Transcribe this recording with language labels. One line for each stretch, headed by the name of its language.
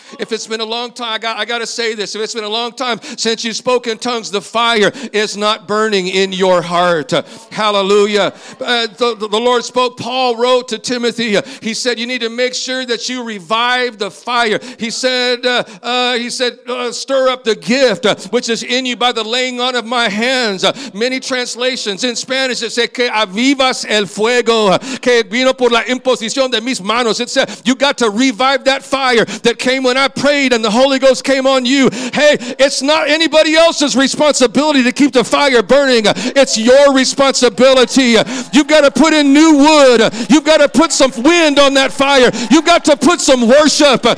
English: If it's been a long time, I got to say this. If it's been a long time since you spoke in tongues, the fire is not burning in your heart. Hallelujah. The Lord spoke. Paul wrote to Timothy. He said, you need to make sure that you revive the fire. He said, stir up the gift which is in you by the laying on of my hands. Many translations in Spanish, it says,
Spanish: que avivas el fuego, que vino por la imposición de mis manos.
English: It said, you got to revive that fire that came when I prayed and the Holy Ghost came on you. Hey, it's not anybody else's responsibility to keep the fire burning. It's your responsibility. You've got to put in new wood. You've got to put some wind on that fire. You've got to put some worship.